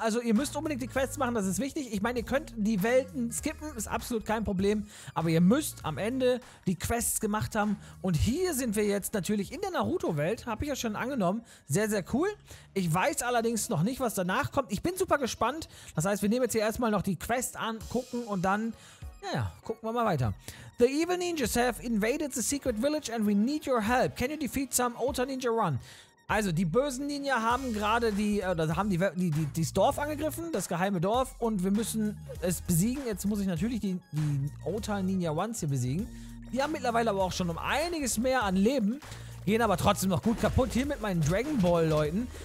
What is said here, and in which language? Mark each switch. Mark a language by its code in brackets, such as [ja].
[de] Also ihr müsst unbedingt die Quests machen, das ist wichtig. Ich meine, ihr könnt die Welten skippen, ist absolut kein Problem, aber ihr müsst am Ende die Quests gemacht haben. Und hier sind wir jetzt natürlich in der Naruto-Welt, habe ich ja schon angenommen. Sehr, sehr cool. Ich weiß allerdings noch nicht, was danach kommt. Ich bin super gespannt. Das heißt, wir nehmen jetzt hier erstmal noch die Quest an, gucken und dann, naja, gucken wir mal weiter. [en] The evil ninjas have invaded the secret village and we need your help. Can you defeat some Ultra Ninja Run? [de] Also, die bösen Ninja haben gerade das Dorf angegriffen, das geheime Dorf, und wir müssen es besiegen. Jetzt muss ich natürlich die Ota Ninja Ones hier besiegen. Die haben mittlerweile aber auch schon um einiges mehr an Leben, gehen aber trotzdem noch gut kaputt hier mit meinen Dragon Ball Leuten.